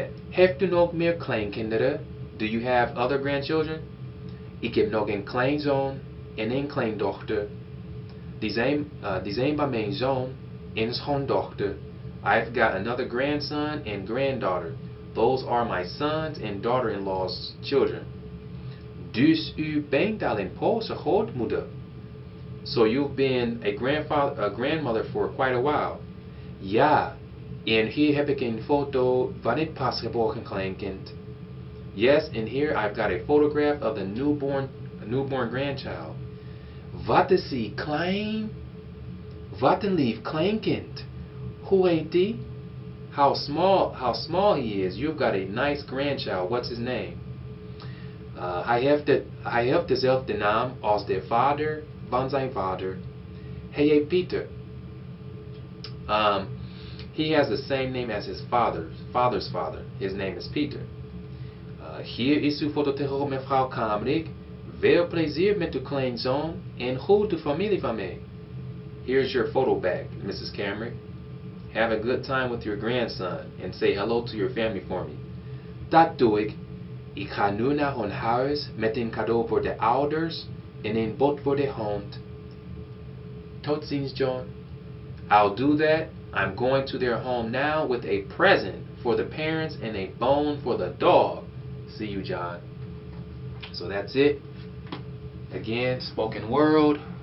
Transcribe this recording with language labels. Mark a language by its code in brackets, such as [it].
[nl] Heeft u nog meer kleinkinderen? [en] Do you have other grandchildren? [nl] Ik heb nog een kleinzoon en een kleindochter. Die zijn bij mijn zoon en schoondochter. [en] I've got another grandson and granddaughter. Those are my sons and daughter-in-law's children. [nl] Dus u bent al een Poolse grootmoeder. [en] So you've been a grandmother for quite a while. [nl] Ja, en hier heb ik een foto van het pasgeboren kleinkind. [en] Yes, and here I've got a photograph of the newborn grandchild. [nl] Wat is die klein? Wat een lief kleinkind. Hoe heet die? [en] How small he is. You've got a nice grandchild. What's his name? [nl] Hij heeft dezelfde naam als de vader van zijn vader. Hij heet Peter. [en] He has the same name as his father's father. His name is Peter. [nl] Hier is uw foto tegen mevrouw Kamerik. Veel plezier met uw kleinzoon en goed de familie van mij. [en] Here's your photo back, Mrs. Kamerik. Have a good time with your grandson and say hello to your family for me. [nl] Dat doe ik. Ik ga nu naar hun huis met een cadeau voor de ouders en een boot voor de hond. Tot ziens, John. [en] I'll do that. I'm going to their home now with a present for the parents and a bone for the dog. See you, John. So that's it. Again, spoken world.